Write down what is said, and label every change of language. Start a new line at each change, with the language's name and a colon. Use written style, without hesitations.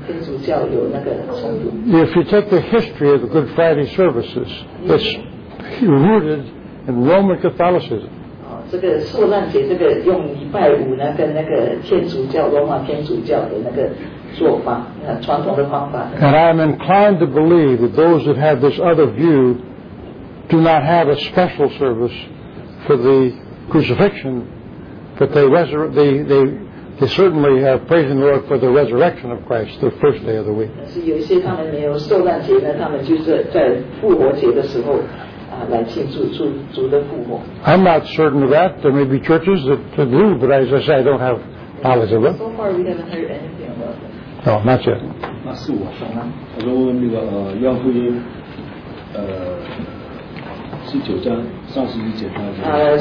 English: If you take the history of the Good Friday services, it's rooted in Roman Catholicism.
Chinese: 这个受难节，这个用礼拜五那跟那个天主教罗马天主教的那个做法，传统的方法。
English: And I am inclined to believe that those that have this other view do not have a special service for the crucifixion, but they certainly are praising the Lord for the resurrection of Christ, the first day of the week.
Chinese: 但是有一些他们没有受难节呢，他们就是在复活节的时候。
English: I'm not certain of that. There may be churches that do, but as I say, I don't have knowledge of it. So far, we haven't heard anything about it. No, not yet.
Chinese: 那是我上啊，我就问那个约翰福音，十九章三十一节，他讲。